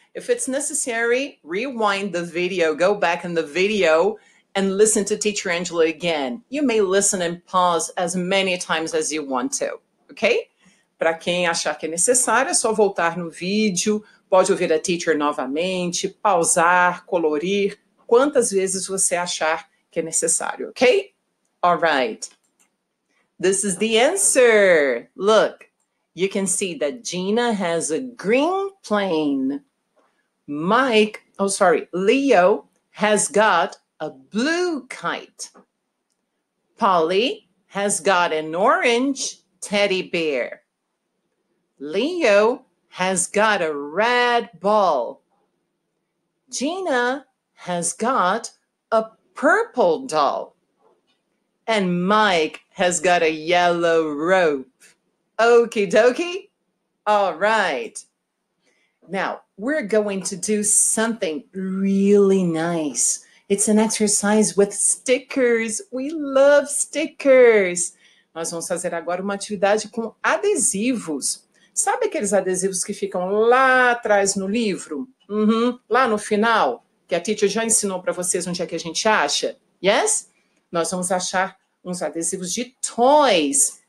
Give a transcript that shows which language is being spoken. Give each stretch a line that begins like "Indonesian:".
English: If it's necessary, rewind the video, go back in the video and listen to Teacher Angela again. You may listen and pause as many times as you want to, ok?
Portuguese: Para quem achar que é necessário, é só voltar no vídeo, pode ouvir a teacher novamente, pausar, colorir, quantas vezes você achar que é necessário, ok?
English: All right. This is the answer. Look, you can see that Gina has a green plane. Mike, oh sorry, Leo has got a blue kite. Polly has got an orange teddy bear. Leo has got a red ball. Gina has got a purple doll. And Mike has got a yellow rope. Okie dokie. All right. Now, we're going to do something really nice. It's an exercise with stickers. We love stickers.
Portuguese: Nós vamos fazer agora uma atividade com adesivos. Sabe aqueles adesivos que ficam lá atrás no livro? Uhum. Lá no final, que a teacher já ensinou para vocês onde é que a gente acha? Yes? Nós vamos achar uns adesivos de toys.